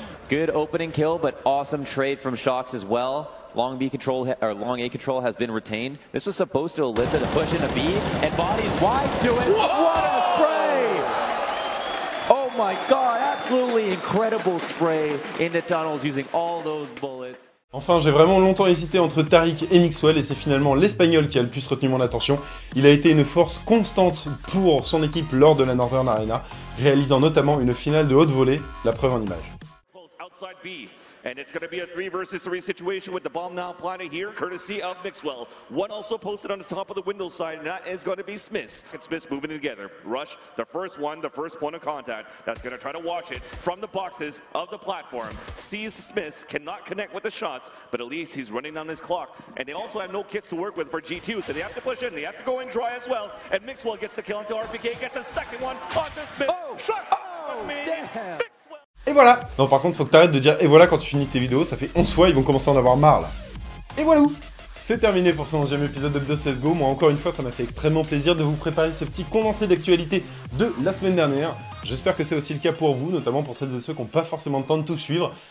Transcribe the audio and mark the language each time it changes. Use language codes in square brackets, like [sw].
[en] Good opening kill, but awesome trade from Shox as well. Long B control, or long A control has been retained. This was supposed to elicit a push into B, and Body's wide to it. What a spray! Oh my god! Absolutely incredible spray in the tunnels using all those bullets. [fr] Enfin, j'ai vraiment longtemps hésité entre Tariq et Mixwell, et c'est finalement l'Espagnol qui a le plus retenu mon attention. Il a été une force constante pour son équipe lors de la Northern Arena, réalisant notamment une finale de haute volée, la preuve en image. [en] And it's going to be a 3v3 situation with the bomb now planted here, courtesy of Mixwell. One also posted on the top of the window side, and that is going to be Smith. And Smith moving it together. Rush, the first one, the first point of contact, that's going to try to watch it from the boxes of the platform. Sees Smith, cannot connect with the shots, but at least he's running down his clock. And they also have no kits to work with for G2, so they have to push in, they have to go in dry as well. And Mixwell gets the kill into RPK, gets a second one onto Smith. Oh, shots! Oh, damn! [fr] Et voilà! Non, par contre, faut que t'arrêtes de dire « et voilà » quand tu finis tes vidéos, ça fait 11 fois, ils vont commencer à en avoir marre, là. Et voilà où! C'est terminé pour ce 11e épisode de CSGO. Moi, encore une fois, ça m'a fait extrêmement plaisir de vous préparer ce petit condensé d'actualité de la semaine dernière. J'espère que c'est aussi le cas pour vous, notamment pour celles et ceux qui n'ont pas forcément le temps de tout suivre.